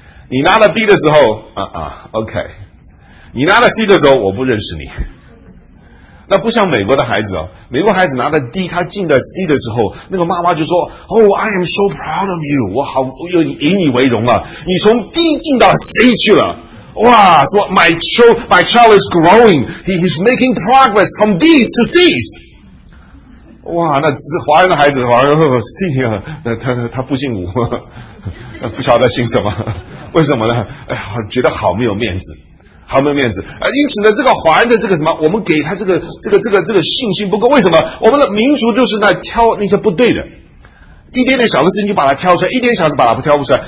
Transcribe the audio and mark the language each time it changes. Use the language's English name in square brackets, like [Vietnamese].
[Chinese] 你拿了 B 的时候，OK。你拿了 C 的时候，我不认识你。那不像美国的孩子哦，美国孩子拿了 D， 他进了 C 的时候，那个妈妈就说 ： [English] “Oh, I am so proud of you， [Chinese] 我好有引以为荣啊！你从 D 进到 C 去了，哇！说 [English] my child is growing， he is making progress from D's to C's。” [Chinese] 哇，那华人的孩子，华人信啊，他不信我，不晓得信什么，为什么呢？哎呀，觉得好没有面子，好没有面子。因此呢，这个华人的这个什么，我们给他这个信心不够。为什么？我们的民族就是那挑那些不对的，一点点小的事情就把它挑出来，一点小的把它挑不出来。